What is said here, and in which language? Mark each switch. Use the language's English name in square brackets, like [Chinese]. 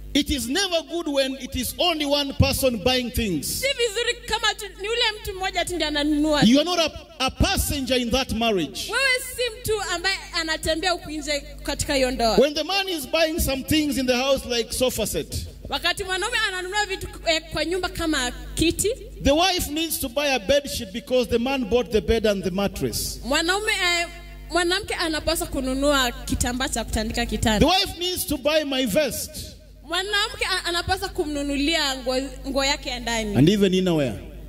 [English] It is never good when it is only one person buying things. [Swahili] Si vizuri kama ni ule mtu mmoja tu ndiye ananunua. [English] You are not a passenger in that marriage. [Swahili] Wewe si mtu ambaye anatembea huku nje katika hiyo ndoa. [English] When the man is buying some things in the house like sofa set, [Swahili] wakati mwanaume ananunua vitu kwa nyumba kama kiti, [English] the wife needs to buy a bed sheet because the man bought the bed and the mattress. [Swahili] Mwanaume mwanamke anapaswa kununua kitambaa cha kutandika kitanda. [English] The wife needs to buy my vest. [Swahili] Mwanamke anapaswa kumnunulia nguo yake ya ndani. [English] And even innerwear.